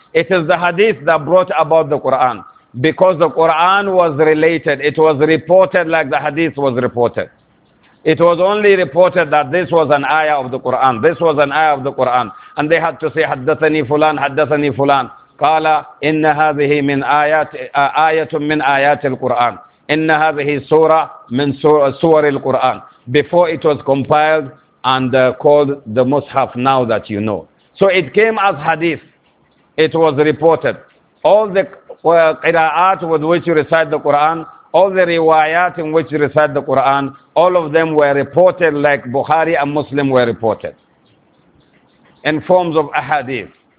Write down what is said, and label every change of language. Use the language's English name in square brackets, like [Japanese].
[English] It is the hadith that brought about the Quran. Because the Quran was related. It was reported like the hadith was reported. It was only reported that this was an ayah of the Quran. This was an ayah of the Quran. And they had to say, haddathani fulan, haddathani fulan. [Arabic] قال إن هذه من آيات آية من آيات القرآن إن هذه سورة من سور القرآن. [English] Before it was compiled and called the Mus'haf, now that you know. So it came as hadith. It was reported. All the qira'at with which you recite the Quran, all the riwayat in which you recite the Quran, all of them were reported like Bukhari and Muslim were reported in forms of ahadith.